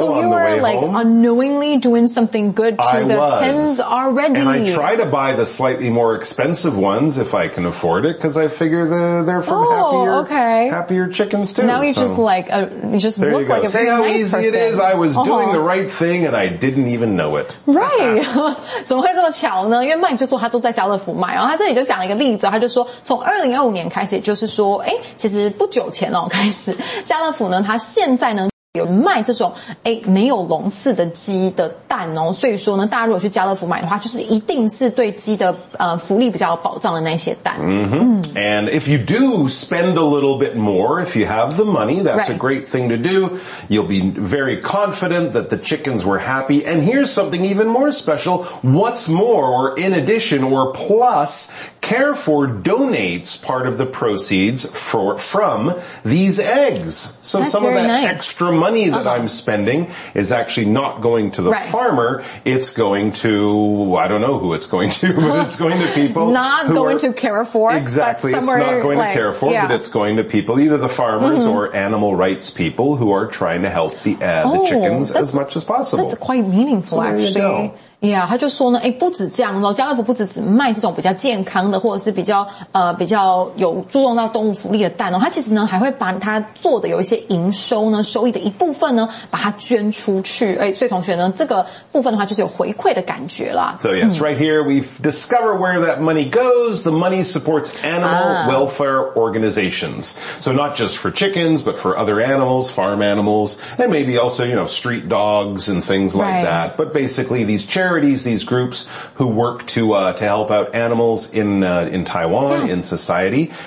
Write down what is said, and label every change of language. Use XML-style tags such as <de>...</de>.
<en>So you are unknowingly doing something good to the hens already. And I try to buy the slightly more expensive ones if I can afford it because I figure they're from happier chickens too. Now you just look like a nice person. I was doing the right thing and I didn't even know it.</en> <zh>Right. 怎么会这么巧呢？因为 Mike 就说他都在家乐福买，然后他这里就讲了一个例子，他就说从2025年开始，就是说，其实不久前哦开始，家乐福呢，他现在呢。有卖这种没有笼饲的鸡的蛋哦，所以说呢，大家如果去家乐福买的话，就是一定是对鸡的福利比较有保障的那些蛋。 Mm-hmm.</zh> <en>And if you do spend a little bit more, if you have the money, that's a great thing to do. You'll be very confident that the chickens were happy. And here's something even more special. What's more, or in addition, or plus, Carrefour donates part of the proceeds from these eggs. So that's some of that nice. Extra money that I'm spending is actually not going to the farmer. It's going to, I don't know who it's going to, but it's going to people. It's not going to Carrefour, but it's going to people, either the farmers or animal rights people who are trying to help the chickens as much as possible. That's quite meaningful, actually.</en> <zh>Yeah, 他就说呢，不止这样咯，家乐福不止只卖这种比较健康的，或者是比较有注重到动物福利的蛋哦，他其实呢还会把他做的有一些营收呢，收益的一部分呢，把它捐出去。所以同学呢，这个部分的话就是有回馈的感觉啦。</zh> <en>So yes, right here we discover where that money goes. The money supports animal welfare organizations. So not just for chickens, but for other animals, farm animals, and maybe also street dogs and things like that. But basically these charities, these groups who work to help out animals in Taiwan, in society.</en>